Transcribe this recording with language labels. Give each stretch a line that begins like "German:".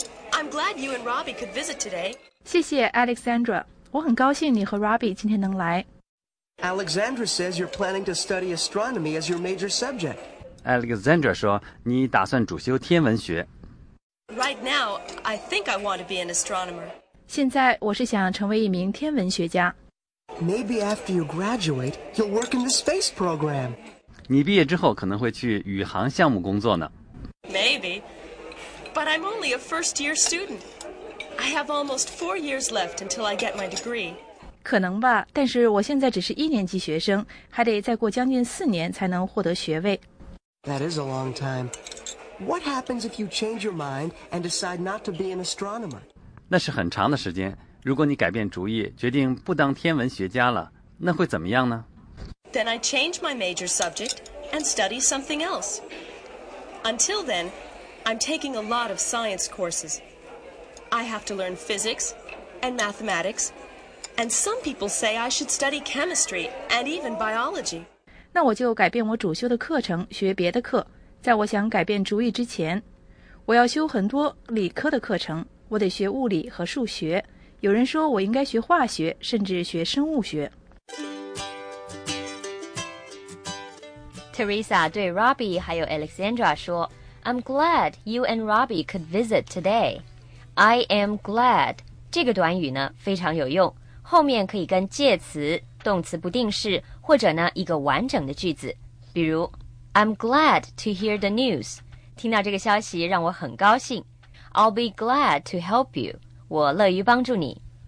English: I'm glad you and Robbie could visit today.
Chinese: 谢谢 Alexandra, 我很高兴你和 Robbie 今天能来。
English: Alexandra says you're planning to study astronomy as your major subject.
Chinese: Alexandra 说你打算主修天文学。
English: Right now, I think I want to be an astronomer.
Chinese: 现在我是想成为一名天文学家。
English: Maybe after you graduate, you'll work in the space program.
Chinese: 你毕业之后可能会去宇航项目工作呢。
English: Maybe, but I'm only a first year student. I have almost 4 years left until I get my degree.
Chinese: 可能吧，但是我现在只是一年级学生，还得再过将近4年才能获得学位。
English: That is a long time. What happens if you change your mind and decide not to be an astronomer?
Chinese: 那是很长的时间。如果你改变主意，决定不当天文学家了，那会怎么样呢？
English: Then I change my major subject and study something else. Until then, I'm taking a lot of science courses. I have to learn physics and mathematics. And some people say I should study chemistry and even biology.
Chinese: 那我就改变我主修的课程，学别的课。在我想改变主意之前，我要修很多理科的课程，我得学物理和数学。有人说我应该学化学，甚至学生物学。
English: Teresa
Chinese: 对 Robbie 还有 Alexandra 说
English: I'm glad you and Robbie could visit today. I am glad.
Chinese: 这个短语呢，非常有用。后面可以跟介词、动词不定式，或者呢一个完整的句子。比如 ，
English: I'm glad to hear the news，
Chinese: 听到这个消息让我很高兴。
English: I'll be glad to help you，
Chinese: 我乐于帮助你。